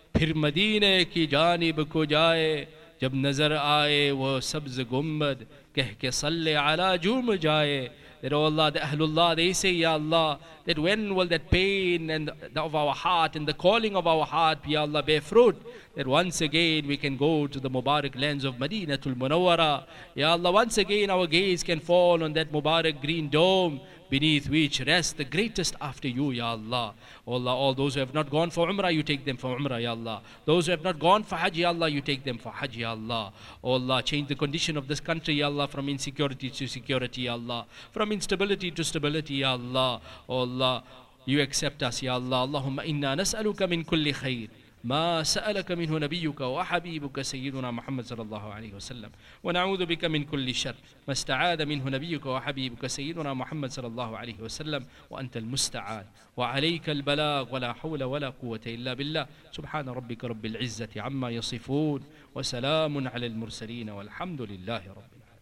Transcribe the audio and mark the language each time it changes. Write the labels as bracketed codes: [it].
[ur] پھر مدینے کی جانب کو جائے جب نظر آئے وہ سبز گمبد کہہ کے صلی علی جوم جائے. [en] That oh Allah, the Ahlullah, they say, Ya Allah, that when will that pain and the, of our heart and the calling of our heart, Ya Allah, bear fruit? That once again we can go to the Mubarak lands of Madinatul Munawwara. Ya Allah, once again our gaze can fall on that Mubarak green dome beneath which rests the greatest after you, Ya Allah. Oh Allah, all those who have not gone for Umrah, you take them for Umrah, Ya Allah. Those who have not gone for Hajj, Ya Allah, you take them for Hajj, Ya Allah. Oh Allah, change the condition of this country, Ya Allah, from insecurity to security, Ya Allah. From instability to stability, Ya Allah. Oh Allah, you accept us, Ya Allah. [ar] Allahumma inna nas'aluka min kulli khayr. ما سألك منه نبيك وحبيبك سيدنا محمد صلى الله عليه وسلم ونعوذ بك من كل شر ما استعاذ منه نبيك وحبيبك سيدنا محمد صلى الله عليه وسلم وأنت المستعان وعليك البلاغ ولا حول ولا قوة إلا بالله سبحان ربك رب العزة عما يصفون وسلام على المرسلين والحمد لله رب